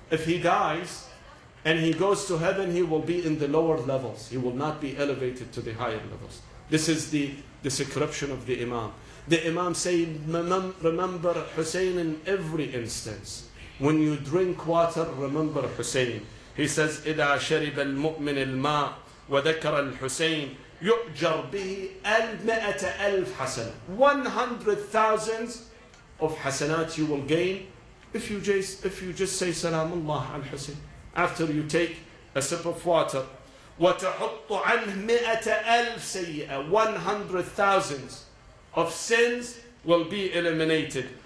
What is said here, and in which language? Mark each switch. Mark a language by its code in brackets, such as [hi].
[en] If he dies and he goes to heaven, he will be in the lower levels. He will not be elevated to the higher levels. This is the description of the Imam. The Imam say, remember Hussein in every instance. When you drink water, remember Hussein. He says, [ar] إِذَا شَرِبَ الْمُؤْمِنِ الْمَاءِ وَذَكَرَ الْحُسَيْنِ يُؤْجَرْ بِهِ أَلْمَأَةَ أَلْفْ حَسَنَةً. [en] 100,000 of hasanat you will gain if you just say Salam Allah al Hussein after you take a sip of water. [ar] وَتَحُطُّ عَنْهْ مِئَةَ أَلْفْ سَيِّئَةً. [en] 100,000 of sins will be eliminated.